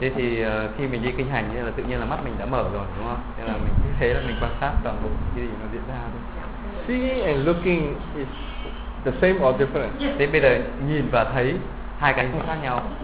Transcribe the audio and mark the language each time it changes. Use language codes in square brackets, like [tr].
[vi] Thế thì khi mình đi kinh hành thì là tự nhiên là mắt mình đã mở rồi, đúng không? Thế là mình cứ thế là mình quan sát toàn bộ cái gì nó diễn ra thôi. [en] Seeing and looking is the same or different? [vi] Thế bây giờ nhìn và thấy hai cái khác nhau.